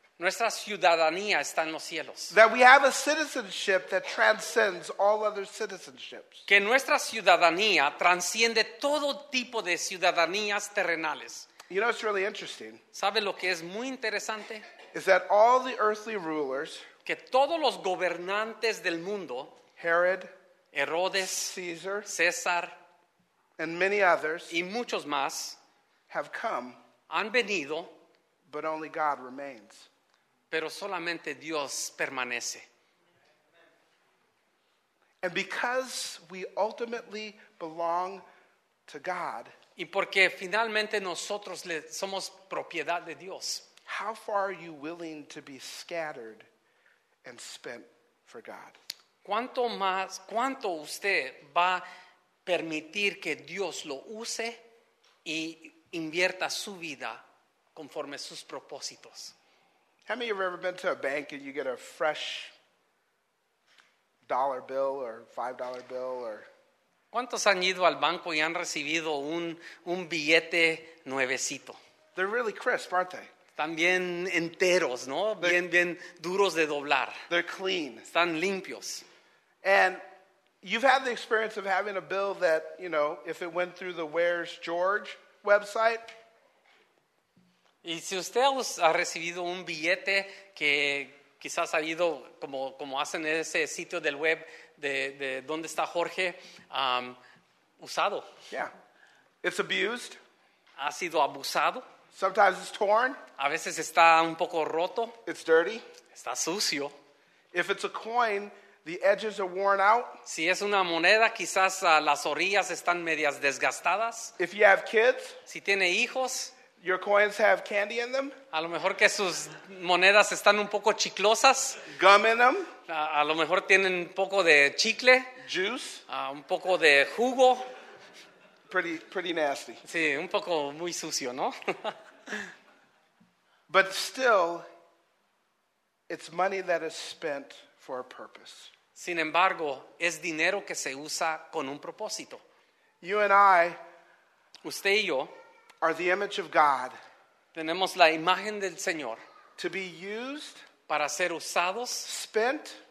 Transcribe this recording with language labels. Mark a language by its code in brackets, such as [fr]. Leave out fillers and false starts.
[es] Nuestra ciudadanía está en los cielos. [en] That we have a citizenship that transcends all other citizenships. [es] Que nuestra ciudadanía transciende todo tipo de ciudadanías terrenales. [en] You know, it's really interesting. [es] ¿Sabe lo que es muy interesante? [en] Is that all the earthly rulers, [es] que todos los gobernantes del mundo, [en] Herod, [es] Herodes, [en] Caesar, [es] César, [en] and many others, [es] y muchos más, [en] have come, [es] han venido, [en] But only God remains. [es] Pero solamente Dios permanece. [en] And because we ultimately belong to God, [es] y porque finalmente nosotros somos propiedad de Dios, [en] how far are you willing to be scattered and spent for God? [es] ¿Cuánto más, cuánto usted va a permitir que Dios lo use y invierta su vida conforme sus propósitos? [en] How many of you have ever been to a bank and you get a fresh dollar bill or $5 bill or? [es] ¿Cuántos han ido al banco y han recibido un billete nuevecito? [en] They're really crisp, aren't they? [es] Están bien enteros, ¿no? Bien duros de doblar. [en] They're clean. [es] Están limpios. [en] And you've had the experience of having a bill that, you know, if it went through the Where's George website. [es] Y si usted ha recibido un billete que quizás ha ido como hacen ese sitio del web de dónde está Jorge, usado. [en] Yeah. It's abused. [es] Ha sido abusado. [en] Sometimes it's torn. [es] A veces está un poco roto. [en] It's dirty. [es] Está sucio. [en] If it's a coin, the edges are worn out. [es] Si es una moneda, quizás las orillas están medias desgastadas. [en] If you have kids, [es] si tiene hijos, [en] your coins have candy in them. [es] A lo mejor que sus monedas están un poco chiclosas. [en] Gum in them. [es] A lo mejor tienen un poco de chicle. [en] Juice. [es] Un poco de jugo. [en] Pretty nasty. [es] Sí, un poco muy sucio, ¿no? [en] But still, it's money that is spent for a purpose. [es] Sin embargo, es dinero que se usa con un propósito. [en] You and I, [es] usted y yo, [en] are the image of God. [es] Tenemos la imagen del Señor. [en] To be used, [es] para ser usados, [en] spent,